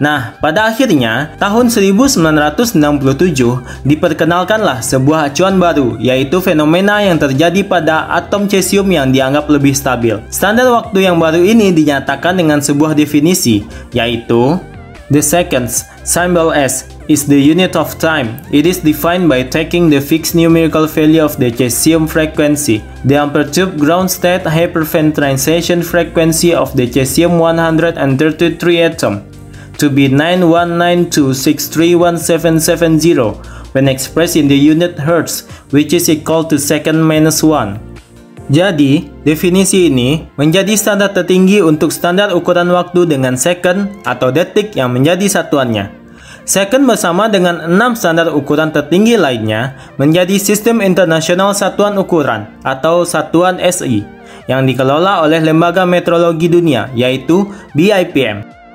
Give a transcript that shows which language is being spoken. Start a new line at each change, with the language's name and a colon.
Indonesian: Nah, pada akhirnya, tahun 1967, diperkenalkanlah sebuah acuan baru, yaitu fenomena yang terjadi pada atom cesium yang dianggap lebih stabil. Standar waktu yang baru ini dinyatakan dengan sebuah definisi, yaitu
English: the seconds, symbol S, is the unit of time. It is defined by taking the fixed numerical value of the cesium frequency, the unperturbed ground state hyperventilation frequency of the cesium 133 atom, to be 919263170 when expressed in the unit hertz, which is equal to second minus 1.
Indonesian: Jadi, definisi ini menjadi standar tertinggi untuk standar ukuran waktu dengan second atau detik yang menjadi satuannya. Second bersama dengan 6 standar ukuran tertinggi lainnya menjadi Sistem Internasional Satuan Ukuran atau Satuan SI yang dikelola oleh Lembaga Meteorologi Dunia, yaitu BIPM.